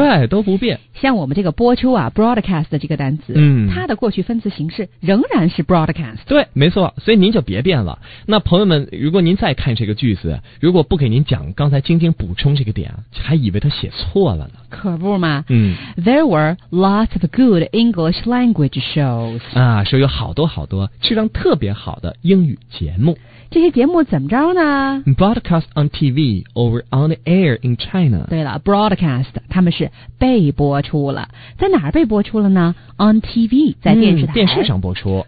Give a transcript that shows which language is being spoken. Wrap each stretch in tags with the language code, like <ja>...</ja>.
<zh>对，都不变。像我们这个播出啊 ，broadcast 这个单词，它的过去分词形式仍然是 broadcast。对，没错，所以您就别变了。那朋友们，如果您再看这个句子，如果不给您讲刚才晶晶补充这个点，还以为他写错了呢。可不嘛。</zh> <en>There were lots of good English language shows。</en> <zh>啊，说有好多好多质量特别好的英语节目。这些节目怎么着呢</zh> <en>？Broadcast on TV or on the air in China。</en> <zh>对了 ，broadcast， 他们是被播出了，在哪儿被播出了呢 ？On TV， 在电视台、电视上播出，</zh>